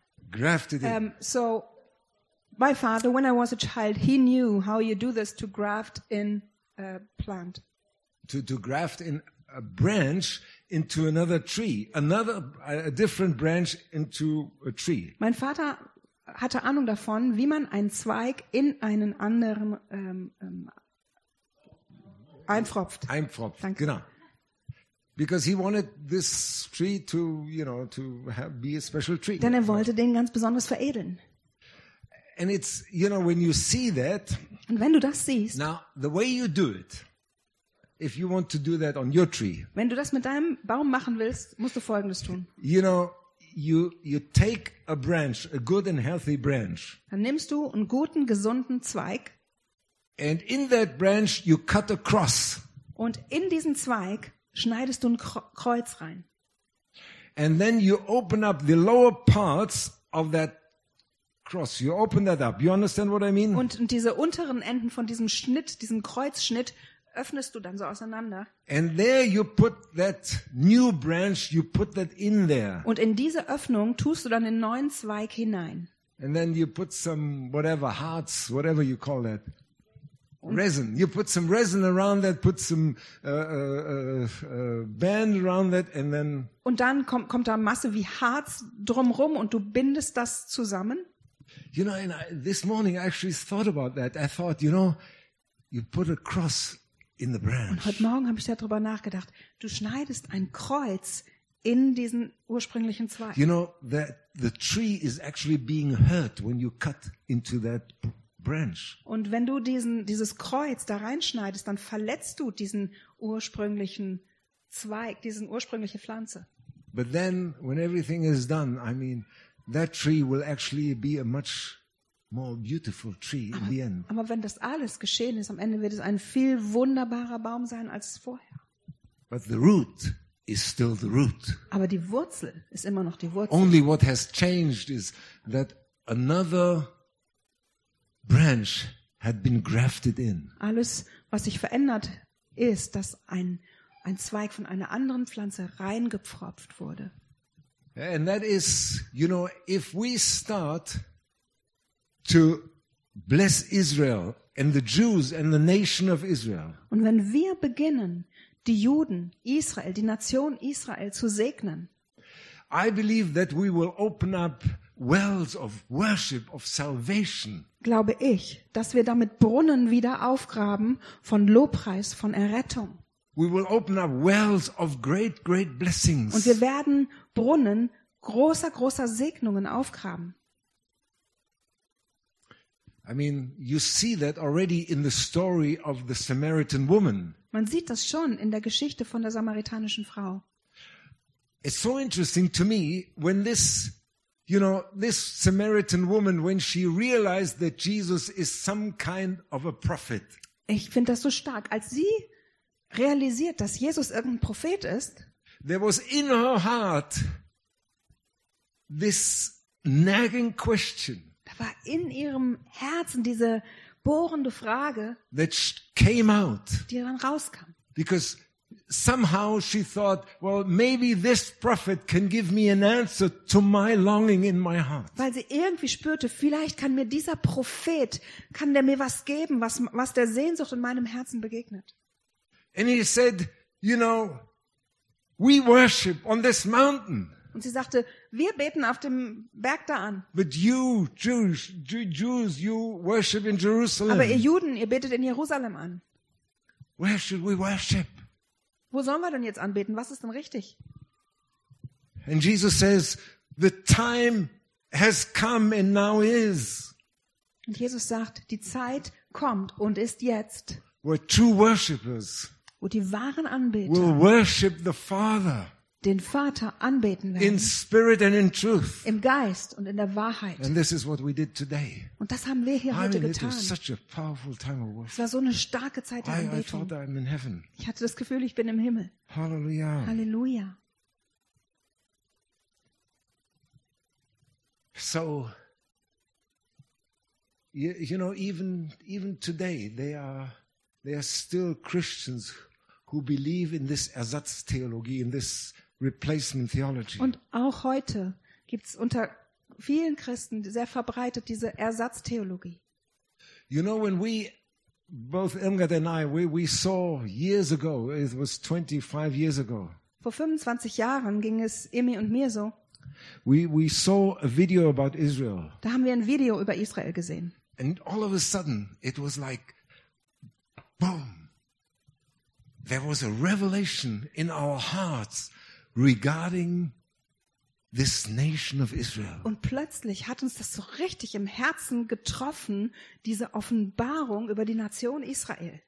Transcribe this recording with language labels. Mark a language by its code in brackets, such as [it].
[en] Grafted in. So, my father, when I was a child, he knew how you do this to graft in a plant. To graft in a branch into another tree. A different branch into a tree. [de] Mein Vater hatte Ahnung davon, wie man einen Zweig in einen anderen einpfropft. Einpfropft, danke. Genau. [en] Because he wanted this tree to, you know, to have, be a special tree. [de] Denn er wollte den ganz besonders veredeln. [en] And it's, you know, when you see that. [de] Und wenn du das siehst. [en] Now, the way you do it, if you want to do that on your tree. [de] Wenn du das mit deinem Baum machen willst, musst du Folgendes tun. [en] You know, you take a branch, a good and healthy branch. [de] Dann nimmst du einen guten, gesunden Zweig. [en] And in that branch you cut a cross. [de] Und in diesen Zweig schneidest du ein Kreuz rein. [en] And then you open up the lower parts of that cross. You open that up. You understand what I mean? [de] Und diese unteren Enden von diesem Schnitt, diesem Kreuzschnitt, öffnest du dann so auseinander. [en] And there you put that new branch, you put that in there. [de] Und in diese Öffnung tust du dann den neuen Zweig hinein. [en] And then you put some whatever hearts, whatever you call that. Resin. You put some resin around that, put some band around that, and then. [de] Und dann kommt da Masse wie Harz drumrum und du bindest das zusammen. [en] You know, and I, this morning I actually thought about that. I thought, you know, you put a cross in the branch. [de] Und heute Morgen habe ich darüber nachgedacht. Du schneidest ein Kreuz in diesen ursprünglichen Zweig. [en] You know that the tree is actually being hurt when you cut into that. [de] Und wenn du dieses Kreuz da reinschneidest, dann verletzt du diesen ursprünglichen Zweig, diesen ursprünglichen Pflanze. [en] But then, when everything is done, I mean, that tree will actually be a much more beautiful tree in the end. [de] Aber wenn das alles geschehen ist, am Ende wird es ein viel wunderbarer Baum sein als vorher. [en] But the root is still the root. [de] Aber die Wurzel ist immer noch die Wurzel. [en] Only what has changed is that another branch had been grafted in. [de] Alles, was sich verändert, ist, dass ein Zweig von einer anderen Pflanze reingepfropft wurde. [en] And that is, you know, if we start to bless Israel and the Jews and the nation of Israel. [de] Und wenn wir beginnen, die Juden, Israel, die Nation Israel zu segnen. [en] I believe that we will open up wells of worship, of salvation. [de] Glaube ich, dass wir damit Brunnen wieder aufgraben von Lobpreis, von Errettung. [en] We will open up wells of great, great blessings. [de] Und wir werden Brunnen großer, großer Segnungen aufgraben. [en] I mean, you see that already in the story of the Samaritan woman. [de] Man sieht das schon in der Geschichte von der samaritanischen Frau. [en] It's so interesting to me when this. You know, this Samaritan woman, when she realized that Jesus is some kind of a prophet. [de] Ich finde das so stark, als sie realisiert, dass Jesus irgendein Prophet ist. [en] There was in her heart this nagging question. [de] Da war in ihrem Herzen diese bohrende Frage. [en] That came out. [de] Die dann rauskam. [en] Because somehow she thought, well, maybe this prophet can give me an answer to my longing in my heart. [de] Weil sie irgendwie spürte, vielleicht kann mir dieser Prophet, kann der mir was geben, was der Sehnsucht in meinem Herzen begegnet. [en] And he said, you know, we worship on this mountain. [de] Und sie sagte, wir beten auf dem Berg da an. [en] But you Jews, you worship in Jerusalem. [de] Aber ihr Juden, ihr betet in Jerusalem an. [en] Where should we worship? [de] Wo sollen wir denn jetzt anbeten? Was ist denn richtig? [en] And Jesus says, the time has come and now is. [de] Und Jesus sagt, die Zeit kommt und ist jetzt. [en] Where true worshipers, [de] wo die wahren Anbeter, [en] will worship the Father, [de] den Vater anbeten werden. [en] In spirit and in truth. [de] Im Geist und in der Wahrheit. [en] And this is what we did today. [de] Und das haben wir hier heute getan. [en] It was such a powerful time of worship. [de] Es war so eine starke Zeit der Anbetung. [en] I thought I'm in heaven. [de] Ich hatte das Gefühl, ich bin im Himmel. [en] Halleluja. [de] Halleluja. [en] So, you know, even today, they are still Christians who believe in this Ersatztheologie, in this replacement theology. [de] Und auch heute gibt's unter vielen Christen sehr verbreitet diese Ersatztheologie. [en] You know, when we both Irmgard and I we saw years ago, it was 25 years ago. [de] Vor 25 Jahren ging es Emmy und mir so. [en] We saw a video about Israel. [de] Da haben wir ein Video über Israel gesehen. [en] And all of a sudden it was like boom. There was a revelation in our hearts regarding this nation of Israel. [de] Und plötzlich hat uns das so richtig im Herzen getroffen, diese Offenbarung über die Nation Israel.